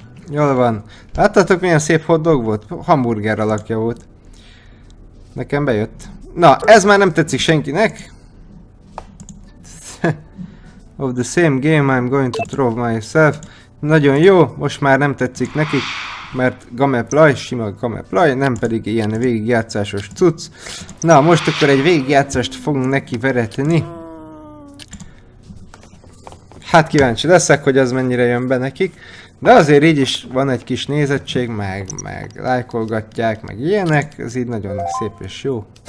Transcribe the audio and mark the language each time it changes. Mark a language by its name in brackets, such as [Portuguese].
[Hungarian] Jól van. Láttatok milyen szép hot dog volt? Hamburger alakja volt. Nekem bejött. Na, ez már nem tetszik senkinek. [English] Of the same game, I'm going to throw myself. [Hungarian] Nagyon jó, most már nem tetszik nekik, mert gameplay, sima gameplay, nem pedig ilyen végigjátszásos cucc. Na, most akkor egy végigjátszást fogunk neki veretni. Hát kíváncsi leszek, hogy az mennyire jön be nekik. De azért így is van egy kis nézettség, meg lájkolgatják, meg ilyenek, ez így nagyon szép és jó.